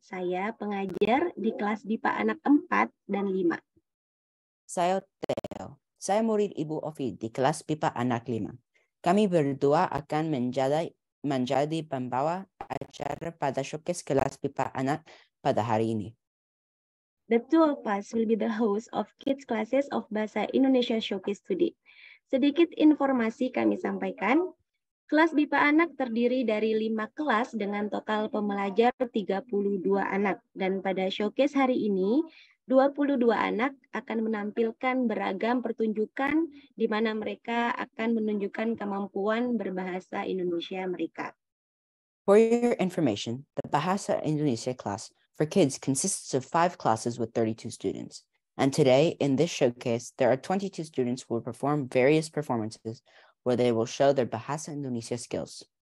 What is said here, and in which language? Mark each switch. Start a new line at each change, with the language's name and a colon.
Indonesian: Saya pengajar di kelas BIPA Anak 4 dan 5. Saya Theo. Saya murid Ibu Opi di kelas BIPA Anak 5. Kami berdua akan menjadi pembawa acara pada showcase kelas BIPA anak pada hari ini.
English: The two of us will be the host of Kids Classes of Bahasa Indonesia Showcase today.
Indonesian: Sedikit informasi kami sampaikan, kelas BIPA anak terdiri dari 5 kelas dengan total pembelajar 32 anak. Dan pada showcase hari ini, 22 anak akan menampilkan beragam pertunjukan di mana mereka akan menunjukkan kemampuan berbahasa Indonesia mereka.
English: For your information, the Bahasa Indonesia class for kids consists of 5 classes with 32 students. And today, in this showcase, there are 22 students who will perform various performances where they will show their Bahasa Indonesia skills.